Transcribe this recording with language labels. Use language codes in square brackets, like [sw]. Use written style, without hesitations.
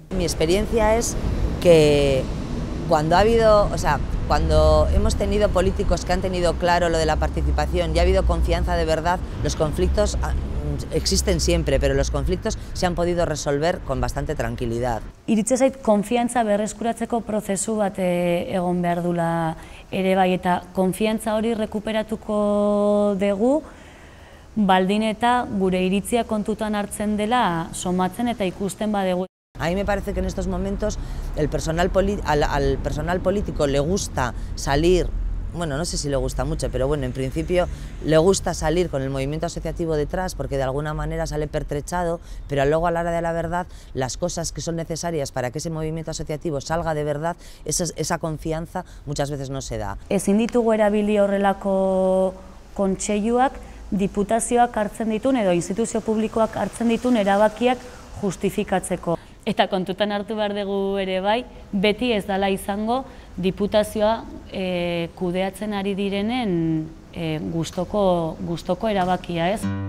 [es] Mi experiencia es que cuando ha habido, o sea, cuando hemos tenido políticos que han tenido claro lo de la participación y ha habido confianza de verdad, los conflictos existen siempre, pero los conflictos se han podido resolver con bastante tranquilidad. [eu] Iritze zait konfiantza berreskuratzeko prozesu bat egon behar dula ere bai, eta konfiantza hori rekuperatuko dugu baldin eta gure iritzia kontutan hartzen dela somatzen eta ikusten badegu. [es] A mí me parece que en estos momentos el personal al personal político le gusta salir bueno, no sé si le gusta mucho, pero bueno, en principio le gusta salir con el movimiento asociativo detrás porque de alguna manera sale pertrechado, pero luego a la hora de la verdad, las cosas que son necesarias para que ese movimiento asociativo salga de verdad, esa confianza muchas veces no se da. [eu] Ezin ditugu erabili horrelako kontseiluak diputazioak hartzen ditun edo instituzio publikoak hartzen ditun erabakiak justifikatzeko. Eta kontutan hartu behar dugu ere bai, beti ez dala izango diputazioa kudeatzen ari direnen gustoko erabakia, ez?